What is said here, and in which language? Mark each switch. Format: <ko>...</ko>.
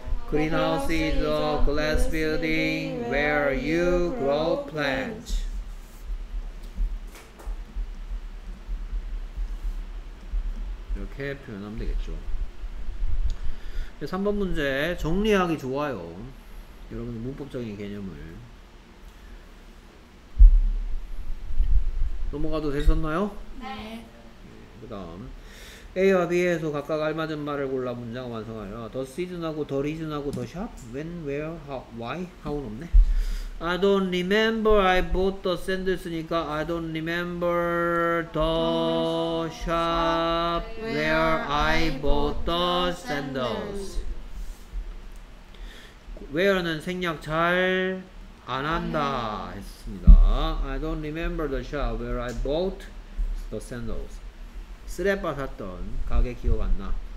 <en>Greenhouse is a glass building where you grow plants.</en> <ko>이렇게 표현하면 되겠죠. 3번 문제 정리하기 좋아요. 여러분 문법적인 개념을. 넘어가도 됐었나요? 네. 그 다음 A와 B에서 각각 알맞은 말을 골라 문장을 완성하여 The season하고 the reason하고 the shop</ko> <en>When, where, how, why?</en> <ko>하고는 없네.</ko> <en>I don't remember I bought the sandals니까 I don't remember the shop where I bought the sandals.</en> <ko>Where는 생략 잘 안 한다 했습니다.</ko> <en>I don't remember the shop where I bought the sandals.</en> <ko>쓰레빠 샀던 가게 기억 안 나.</ko>